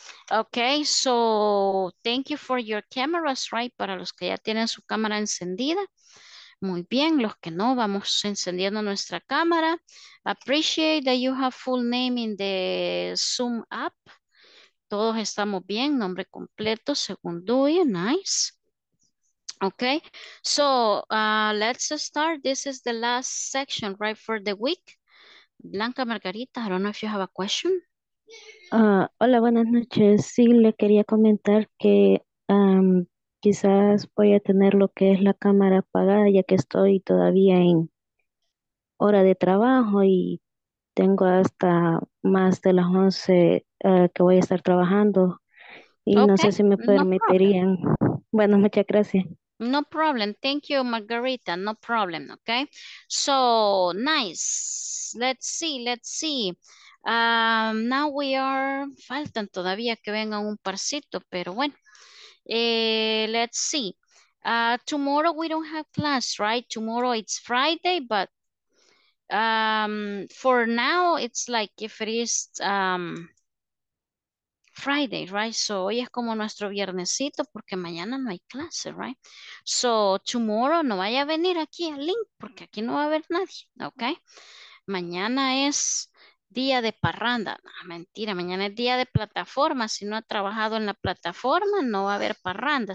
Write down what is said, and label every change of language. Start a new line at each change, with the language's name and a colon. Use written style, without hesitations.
English: Okay, so thank you for your cameras, right?
Spanish: Para los que ya tienen su cámara encendida. Muy bien, los que no, vamos encendiendo nuestra cámara.
English: Appreciate that you have full name in the Zoom app.
Spanish: Todos estamos bien, nombre completo, según Dui, nice.
English: Ok, so let's start. This is the last section, right, for the week. Blanca Margarita, I don't know if you have a question.
Spanish: Hola, buenas noches. Sí, le quería comentar que quizás voy a tener lo que es la cámara apagada, ya que estoy todavía en hora de trabajo y tengo hasta más de las 11 que voy a estar trabajando. Y no
English: Okay,
Spanish: sé si me
English: no problem.
Spanish: permitirían. Bueno, muchas gracias.
English: No problem. Thank you, Margarita. No problem. Okay. So nice. Let's see. Now we are.
Spanish: Faltan todavía que vengan un parcito, pero bueno.
English: Let's see. Tomorrow we don't have class, right? Tomorrow it's Friday, but for now it's like if it is Friday, right?
Spanish: So hoy es como nuestro viernesito porque mañana no hay clase, right?
English: So tomorrow
Spanish: no vaya a venir aquí al link porque aquí no va a haber nadie, ¿ok? Mañana es día de parranda, no, mentira, mañana es día de plataforma. Si no ha trabajado en la plataforma, no va a haber parranda.